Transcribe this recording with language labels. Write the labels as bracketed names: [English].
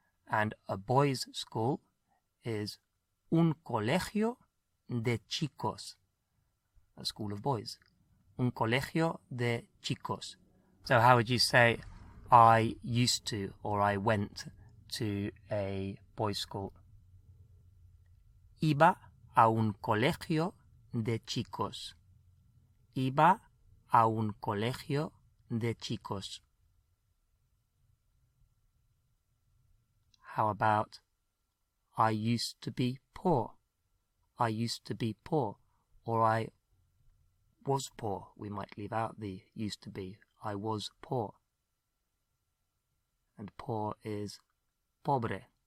[English] And a boys' school is [Spanish] un colegio de chicos. [English] A school of boys. [Spanish] Un colegio de chicos. [English] So how would you say I used to or I went to a boys' school? [Spanish] Iba a un colegio de chicos. Iba a un colegio de chicos. [English] How about I used to be poor? I used to be poor. Or I was poor. We might leave out the used to be. I was poor. and poor is pobre.